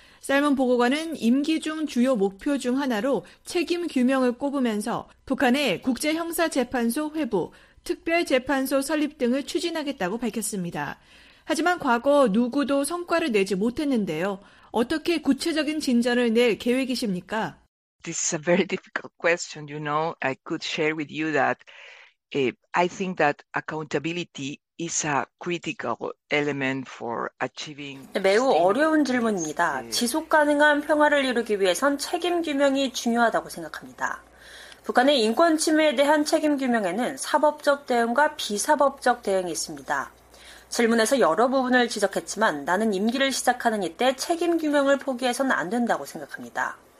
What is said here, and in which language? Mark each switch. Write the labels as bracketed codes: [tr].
[ko] 살몬 보고관은 임기 중 주요 목표 중 하나로 책임 규명을 꼽으면서 북한의 국제형사재판소 회부, 특별재판소 설립 등을 추진하겠다고 밝혔습니다. 하지만 과거 누구도 성과를 내지 못했는데요. 어떻게 구체적인 진전을 낼 계획이십니까? [en] This is a very difficult question. You know, I could share with you that I think that accountability is a critical element for achieving. [ko] 매우 어려운 질문입니다. 지속 가능한 평화를 이루기 위해선 책임 규명이 중요하다고 생각합니다. 북한의 인권 침해에 대한 책임 규명에는 사법적 대응과 비사법적 대응이 있습니다. 질문에서 여러 부분을 지적했지만 나는 임기를 시작하는 이때 책임 규명을 포기해서는 안 된다고 생각합니다.